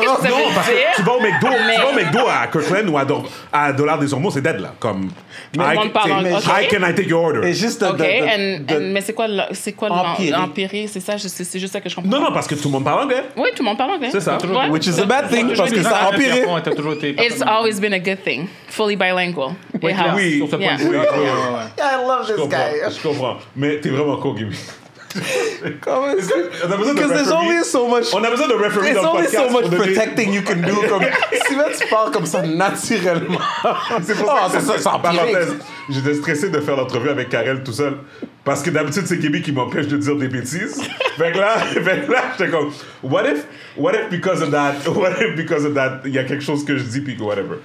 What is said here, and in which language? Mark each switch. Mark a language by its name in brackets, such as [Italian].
[French] non, parce dire. Que tu vas au McDo, tu vas au McDo à Kirkland ou à Dollar des Ormeaux, c'est dead là, comme [English] can I take your order? [French] Et juste mais c'est quoi l'empiré, c'est ça, c'est juste ça que je comprends. Non, non, parce que tout le monde parle anglais. Oui, tout le monde parle anglais. C'est ça, [English] which is a bad thing, [French] parce que ça a empiré. [English] It's always been a good thing, fully bilingual. [French] Oui, sur ce point. [English] I love this guy. [French] Je comprends, mais t'es vraiment cool, Gibby. [English] Because there's only so much. [French] On a besoin de referee. [English] There's only so much protecting you can do. [French] Comme si tu parles comme ça naturellement. C'est pour ça. Ça en parenthèse. J'étais stressé de faire l'entrevue avec Karel tout seul parce que d'habitude c'est Kimi qui m'empêche de dire des bêtises. Fait que là, j'étais comme [English] What if because of that? What if because of that? [French] Il y a quelque chose que je dis puis whatever.